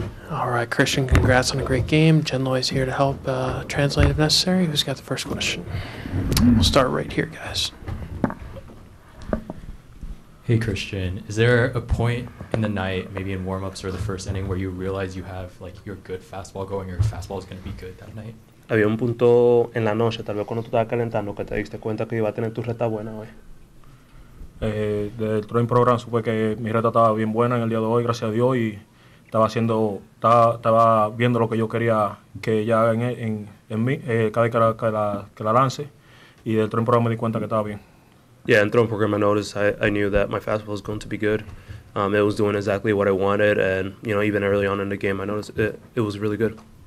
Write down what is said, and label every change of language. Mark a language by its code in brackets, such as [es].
[en] All right, Christian, congrats on a great game. Jen Loy is here to help translate if necessary. Who's got the first question? We'll start right here, guys. Hey, Christian, is there a point in the night, maybe in warm-ups or the first inning, where you realize you have, like, your good fastball going, your fastball is going to be good that night? [es] Había un punto en la noche, tal vez cuando tú estabas calentando, que te diste cuenta que iba a tener tu recta buena hoy. Del [en] training program [es] supe que mi recta estaba bien buena en el día de hoy, gracias a Dios, y estaba viendo lo que yo quería que ya en mí, cada vez que la lance, y del training program me di cuenta que estaba bien. [en] Yeah, in throwing program, I noticed I knew that my fastball was going to be good. It was doing exactly what I wanted, and you know, even early on in the game, I noticed it was really good.